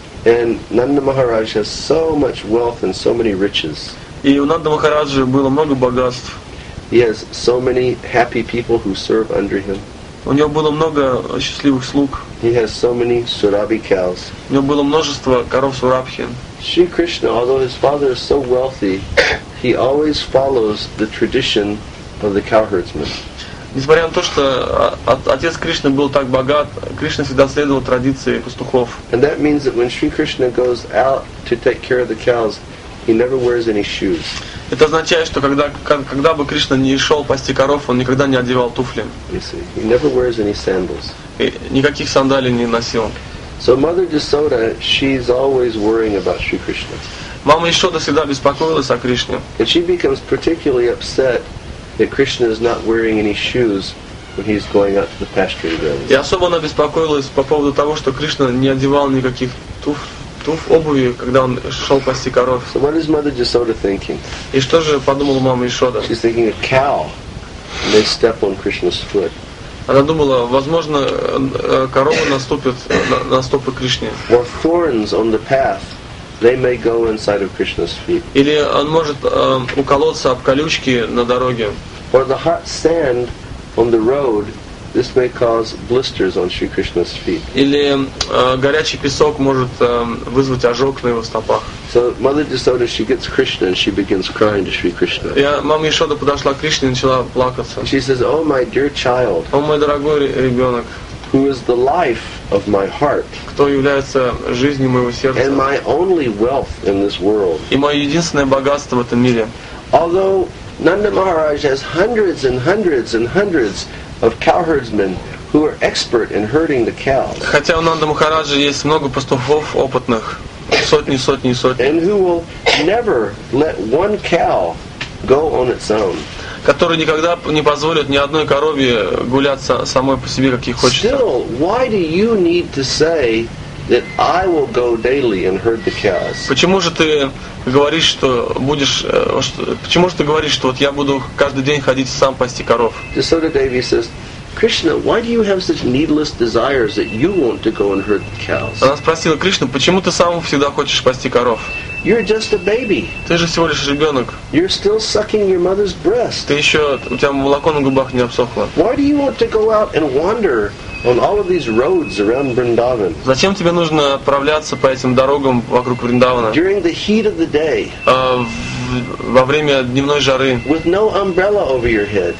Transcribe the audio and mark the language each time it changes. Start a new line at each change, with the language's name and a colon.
English: And Nanda Maharaj has so much wealth and so many riches.
Russian: И у Нанды Махараджи было много богатств.
English: He has so many happy people who serve under him.
Russian: У него было много счастливых слуг.
English: He has so many Surabhi cows.
Russian: У него было множество коров Сурабхи.
English: Shri Krishna, although his father is so wealthy, he always follows the tradition of the cowherdsmen.
Russian: Несмотря на то, что отец Кришны был так богат, Кришна всегда следовал традиции пастухов.
English: And that means that when Shri Krishna goes out to take care of the cows, he never wears any shoes.
Russian: Это означает, что когда бы Кришна не шел пасти коров, он никогда не одевал туфли.
English: He never wears any sandals.
Russian: И никаких сандалий не носил.
English: So Mother Yashoda, she's always worrying about Sri Krishna.
Russian: Мама Ишода всегда беспокоилась о Кришне.
English: And she becomes particularly upset that Krishna is not wearing any shoes when he's going out to the pasture grounds.
Russian: И особо она беспокоилась по поводу того, что Кришна не одевал никаких обуви, когда он шел пасти коров.
English: So what is Mother Yashoda thinking?
Russian: И что же подумала мама Ишода?
English: She's thinking a cow may step on Krishna's foot.
Russian: Она думала, возможно, корова наступит на стопы Кришны.
English: Or thorns on the path, they may go inside of Krishna's feet.
Russian: Или он может уколоться об колючки на дороге.
English: Or the hot sand on the road. This may cause blisters on Sri Krishna's feet.
Russian: Или горячий песок может вызвать ожог на его стопах.
English: So Mother Yashoda, she gets Krishna and she begins crying to Sri Krishna.
Russian: Я мама Ишода подошла к Кришне и начала плакаться.
English: She says, "Oh my dear child."
Russian: О мой дорогой ребенок.
English: who is the life of my heart,
Russian: кто является жизнью моего сердца,
English: and my only wealth in this world,
Russian: и мое единственное богатство в этом мире.
English: Although Nanda Maharaj has hundreds and hundreds and hundreds of cowherdsmen who are expert in herding the cows,
Russian: хотя у Нанда Махараджа есть много пастухов опытных, сотни, сотни, сотни,
English: and who will never let one cow go on its own,
Russian: которые никогда не позволят ни одной корове гуляться самой по себе, как ей хочется.
English: Still, why do you need to say that I will go daily and herd the cows?
Russian: Почему же ты говоришь, что будешь, почему же ты говоришь, что вот я буду каждый день ходить сам пасти коров?
English: Yasoda Devi says, Krishna, why do you have such needless desires that you want to go and herd the cows?
Russian: Она спросила Кришну, почему ты сам всегда хочешь пасти коров?
English: You're just a baby.
Russian: Ты же всего лишь ребенок.
English: You're still sucking your mother's breast.
Russian: Ты еще, у тебя молоко на губах не обсохло.
English: Why do you want to go out and wander on all of these roads around Vrindavan?
Russian: Зачем тебе нужно отправляться по этим дорогам вокруг Вриндавана?
English: During the heat of the day.
Russian: Во время дневной жары.
English: With no umbrella over your head.